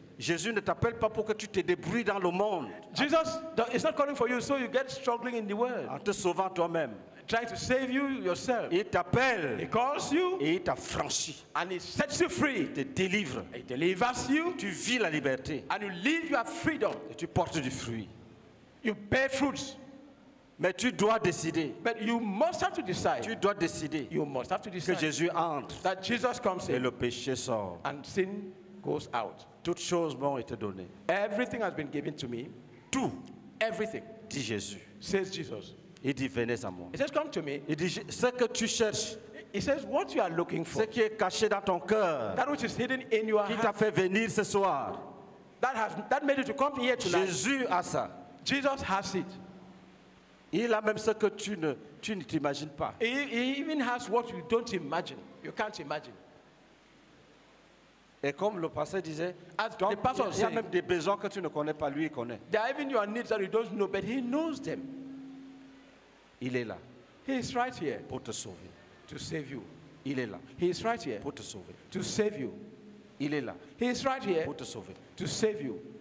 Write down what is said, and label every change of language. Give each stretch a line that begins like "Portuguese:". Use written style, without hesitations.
French: Jésus ne t'appelle pas pour que tu te débrouilles dans le monde.
English: Jesus is not calling for you so you get struggling in the world.
French: En te sauvant toi-même.
English: Trying to save you yourself.
French: Il t'appelle.
English: He calls you.
French: Et il t'a franchi.
English: And he sets you free.
French: Il te délivre.
English: He delivers you.
French: Tu vis la liberté.
English: And you live your freedom.
French: Et tu portes du fruit.
English: You bear fruits.
French: Mais tu dois décider.
English: But you must have to decide.
French: Tu dois décider.
English: You must have to decide.
French: Que Jésus entre.
English: That Jesus comes
French: et
English: in.
French: Le péché sort.
English: And sin goes out.
French: Toutes choses m'ont été données.
English: Everything has been given to me.
French: Tout.
English: Everything.
French: Dit Jésus.
English: Says Jesus.
French: Il dit venez à moi.
English: He says come to me.
French: Il dit ce que tu cherches.
English: He says what you are looking for.
French: Ce qui est caché dans ton cœur.
English: That which is hidden in your heart.
French: Qui t'a fait venir ce soir.
English: That made you to come here tonight.
French: Jésus a ça.
English: Jesus has it.
French: Il a même ce que tu ne t'imagines pas.
English: He even has what you don't imagine. You can't imagine.
French: Et comme le pasteur disait, il y a même des besoins que tu ne connais pas, lui il connaît.
English: There are even your needs that you don't know, but he knows them.
French: Il est là.
English: He is right here.
French: Pour te sauver.
English: To save you.
French: Il est là.
English: He is right here.
French: Pour te sauver.
English: To save you.
French: Il est là.
English: He is right here.
French: Pour te sauver.
English: To save you.